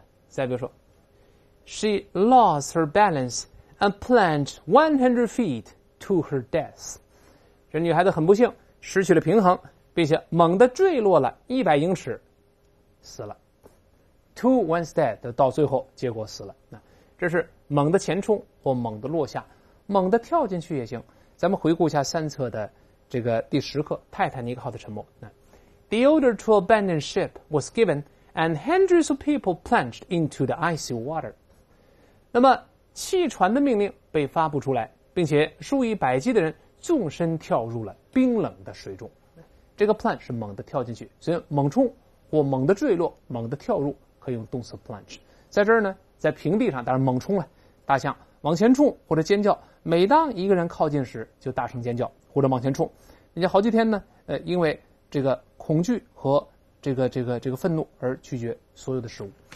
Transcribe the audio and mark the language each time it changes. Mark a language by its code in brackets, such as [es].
[zh] 再比如说 [en] She lost her balance and plunged 100 feet to her death， [zh] 这女孩子很不幸失去了平衡，并且猛地坠落了100英尺死了。 [en] to one's death [zh] 到最后结果死了，这是猛的前冲或猛的落下，猛地跳进去也行。咱们回顾一下三册的这个第十课《泰坦尼克号的沉没》。 [en] The order to abandon ship was given, and hundreds of people plunged into the icy water. [zh] 那么，弃船的命令被发布出来，并且数以百计的人纵身跳入了冰冷的水中。这个 plunge 是猛地跳进去，所以猛冲或猛地坠落、猛地跳入可以用动词 plunge。在这儿呢，在平地上，当然猛冲了，大象。往前冲或者尖叫，每当一个人靠近时就大声尖叫或者往前冲，人家好几天呢因为这个恐惧和这个愤怒而拒绝所有的食物。